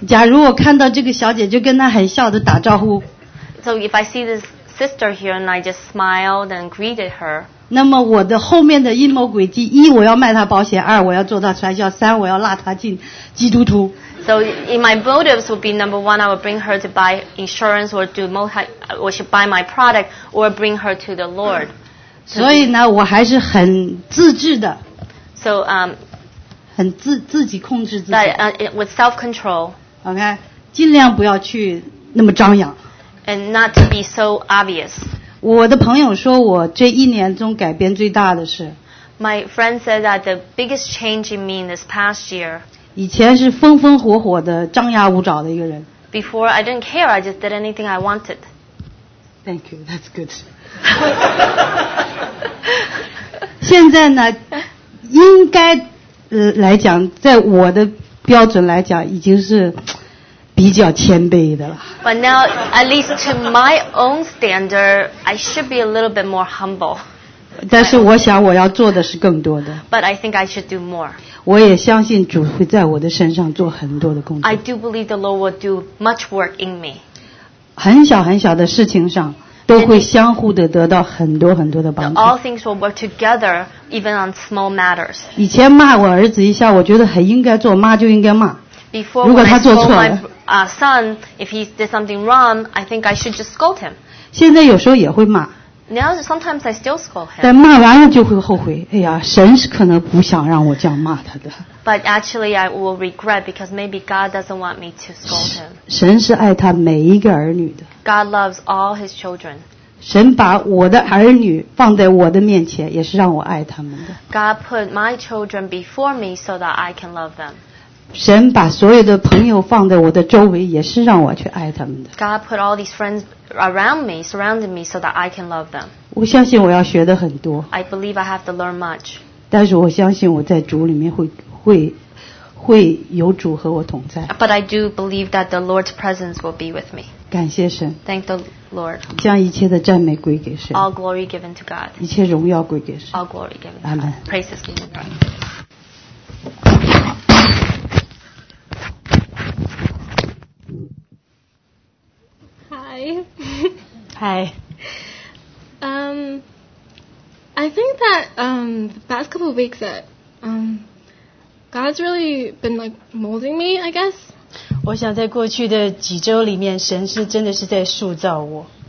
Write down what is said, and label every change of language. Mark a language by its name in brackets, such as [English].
[Chinese] 假如我看到这个小姐就跟她很笑的打招呼。 [English] So if I see this sister here and I just smiled and greeted her. [Chinese] 那么我的后面的阴谋诡计，一我要卖他保险，二我要做他传销，三我要拉他进基督徒。 [English] So in my motives would be number one, I would bring her to buy insurance or do multi, or should buy my product or bring her to the Lord. [Chinese] 所以呢，我还是很自制的。 [English] So [Chinese] 很自己控制自己。 [English] With self-control. [Chinese] Okay, 尽量不要去那么张扬。 [English] And not to be so obvious. [Chinese] 我的朋友说我这一年中改变最大的是 [English] My friend said that the biggest change in me in this past year [Chinese] 以前是风风火火的张牙舞爪的一个人 [English] Before I didn't care, I just did anything I wanted Thank you, that's good [Chinese] 现在呢应该来讲在我的标准来讲已经是比较谦卑的了。 [English] But now, at least to my own standard, I should be a little bit more humble. [Chinese] 但是我想我要做的是更多的。 [English] But I think I should do more. [Chinese] 我也相信主会在我的身上做很多的工作。 [English] I do believe the Lord will do much work in me. [Chinese] 很小很小的事情上都会相互的得到很多很多的帮助。 [English] All things will work together, even on small matters. [Chinese] 以前骂我儿子一下，我觉得很应该做，骂就应该骂。 [English] Before when I scold my son, if he did something wrong, I think I should just scold him. [Chinese] 现在有时候也会骂。 [English] Now sometimes I still scold him. [Chinese] 但骂完了就会后悔。哎呀，神是可能不想让我这样骂他的。 [English] But actually, I will regret because maybe God doesn't want me to scold him. [Chinese] 神是爱他每一个儿女的。 [English] God loves all his children. [Chinese] 神把我的儿女放在我的面前，也是让我爱他们的。 [English] God put my children before me so that I can love them. [Chinese] 神把所有的朋友放在我的周围，也是让我去爱他们的。 [English] God put all these friends around me, surrounding me, so that I can love them. [Chinese] 我相信我要学的很多。 [English] I believe I have to learn much. [Chinese] 但是我相信我在主里面会有主和我同在。 [English] But I do believe that the Lord's presence will be with me. [Chinese] 感谢神。 [English] Thank the Lord. [Chinese] 将一切的赞美归给神。 [English] All glory given to God. [Chinese] 一切荣耀归给神。 [English] All glory given to God. Amen. Praises be to God. Hi. I think that the past couple of weeks that God's really been like molding me, I guess. [Chinese] 我想在过去的几周里面，神是真的是在塑造我。